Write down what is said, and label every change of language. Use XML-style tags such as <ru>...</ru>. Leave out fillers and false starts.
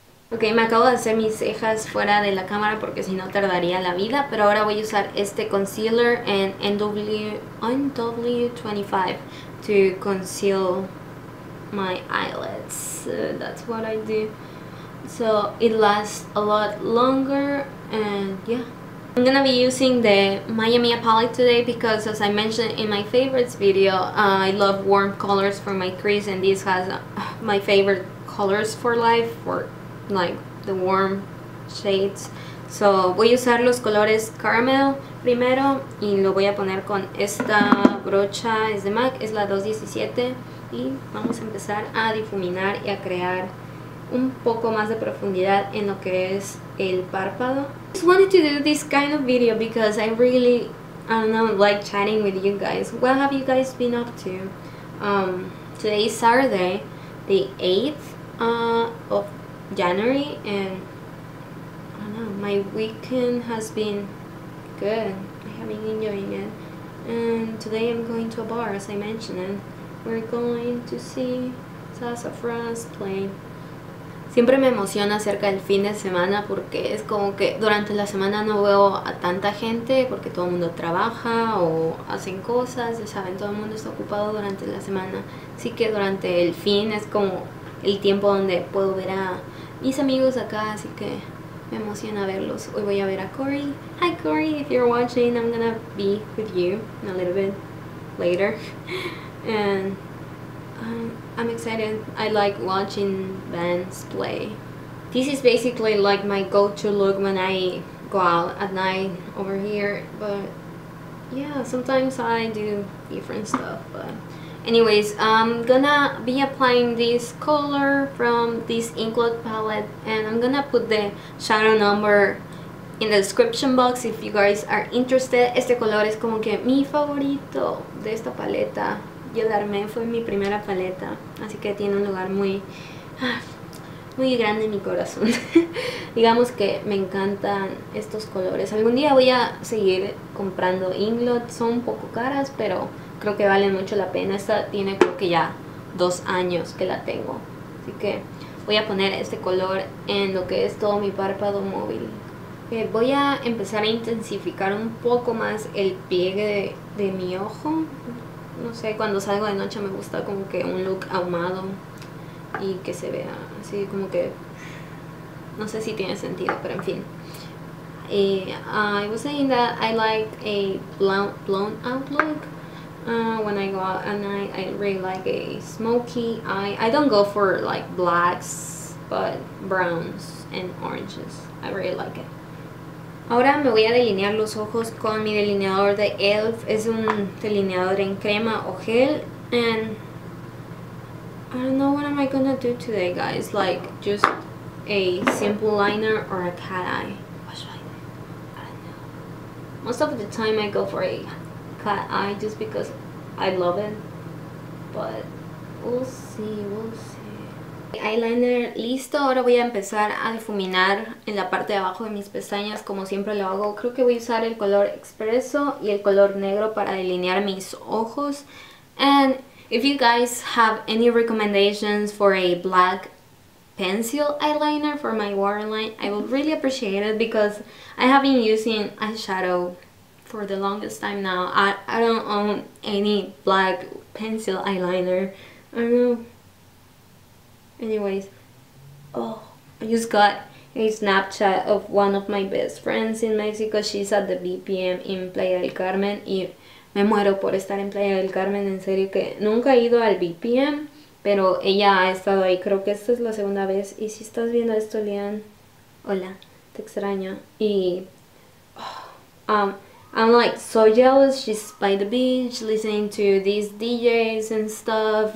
<es>Ok, me acabo de hacer mis cejas fuera de la cámara porque si no tardaría la vida, pero ahora voy a usar este concealer en NW25</es> <en>to conceal my eyelids. That's what I do. So it lasts a lot longer, and yeah. I'm gonna be using the Miami palette today because, as I mentioned in my favorites video, I love warm colors for my crease, and this has my favorite colors for life, for like the warm shades.</en> <es>So voy a usar los colores caramel primero y lo voy a poner con esta brocha, es de MAC, es la 217, y vamos a empezar a difuminar y a crear un poco más de profundidad en lo que es el párpado.</es> <en>I just wanted to do this kind of video because I really, I don't know, like chatting with you guys. What have you guys been up to? Today is Saturday, the 8th of January, and I don't know, my weekend has been good. I have been enjoying it, and today I'm going to a bar, as I mentioned, and we're going to see Sassafras play.</en> <es>Siempre me emociona acerca del fin de semana porque es como que durante la semana no veo a tanta gente porque todo el mundo trabaja o hacen cosas, ya saben, todo el mundo está ocupado durante la semana, así que durante el fin es como el tiempo donde puedo ver a mis amigos acá, así que me emociona verlos. Hoy voy a ver a Corey.</es> <en>Hi Corey, if you're watching, I'm gonna be with you in a little bit later. And I'm excited. I like watching bands play. This is basically like my go-to look when I go out at night over here. But yeah, sometimes I do different stuff, but anyways, I'm gonna be applying this color from this Inkblot palette, and I'm gonna put the shadow number in the description box if you guys are interested.</en> <es>Este color es como que mi favorito de esta paleta. Y el Armé fue mi primera paleta, así que tiene un lugar muy, muy grande en mi corazón. Digamos que me encantan estos colores. Algún día voy a seguir comprando Inkblot. Son un poco caras, pero creo que valen mucho la pena. Esta tiene creo que ya 2 años que la tengo. Así que voy a poner este color en lo que es todo mi párpado móvil. Voy a empezar a intensificar un poco más el pliegue de mi ojo. No sé, cuando salgo de noche me gusta como que un look ahumado y que se vea así como que, no sé si tiene sentido, pero en fin.</es> <en>I was saying that I like a blown out look. When I go out at night, I really like a smoky eye. I don't go for like blacks, but browns and oranges, I really like it.</en> <es>Ahora me voy a delinear los ojos con mi delineador de ELF. Es un delineador en crema o gel.</es> <en>And I don't know what am I gonna do today, guys. Like, just a simple liner or a cat eye. What should I do? I don't know. Most of the time I go for a cat eye just because I love it. But we'll see, we'll see.</en> <es>Eyeliner listo, ahora voy a empezar a difuminar en la parte de abajo de mis pestañas como siempre lo hago. Creo que voy a usar el color expreso y el color negro para delinear mis ojos.</es> <en>And if you guys have any recommendations for a black pencil eyeliner for my waterline, I would really appreciate it because I have been using eyeshadow for the longest time now. I don't own any black pencil eyeliner. I don't know. Anyways, oh, I just got a Snapchat of one of my best friends in Mexico. She's at the BPM in Playa del Carmen.</en> <es>Y me muero por estar en Playa del Carmen. En serio que nunca he ido al BPM, pero ella ha estado ahí. Creo que esta es la segunda vez. Y si estás viendo esto, Leanne, hola, te extraño.</es> <en>Y I'm like so jealous. She's by the beach listening to these DJs and stuff.</en>